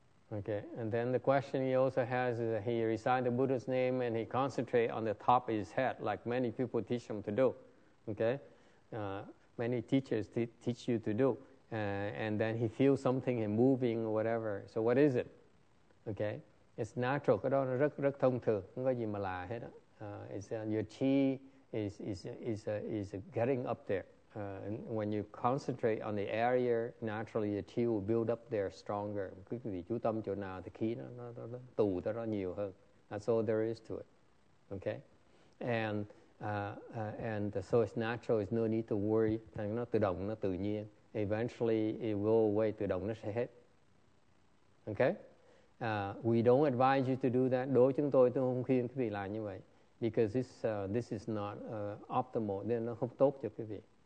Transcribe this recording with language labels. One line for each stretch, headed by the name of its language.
English: Okay, and then the question he also has is that he recites the Buddha's name and he concentrates on the top of his head, like many people teach him to do. Okay, many teachers teach you to do, and then he feels something and moving or whatever. So what is it? Okay. It's natural,
Vietnamese: cái đó nó rất rất thông thường, không có gì mà lạ hết á.
English: Your chi is getting up there. When you concentrate on the area, naturally your chi will build up there stronger.
Vietnamese: Cái vị chú tâm chỗ nào thì khí nó tụ ra nó nhiều hơn.
English: That's all there is to it. Okay? And so it's natural, it's no need to worry.
Vietnamese: Nó tự động, nó tự nhiên.
English: Eventually it will away,
Vietnamese: tự động nó sẽ hết.
English: Okay? We don't advise you to do that.
Vietnamese: Đối chúng tôi không khuyên quý vị làm như vậy.
English: Because this is not optimal.
Vietnamese: Nên nó không tốt cho quý vị.